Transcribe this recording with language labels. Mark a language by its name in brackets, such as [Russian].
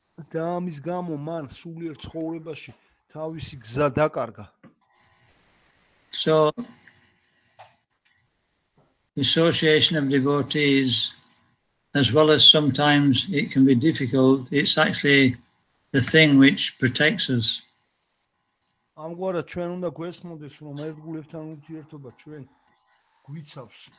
[Georgian] და ამის გამო მან სულიერ ცხოვრებაში თავისი გზა დაკარგა. [English] So the association of devotees, as well as sometimes it can be difficult, it's actually the thing which protects us. [Georgian] ამგვარად ჩვენ უნდა გვესმოდეს რომ ერთგულებთან ურთიერთობა ჩვენ გვიცავს.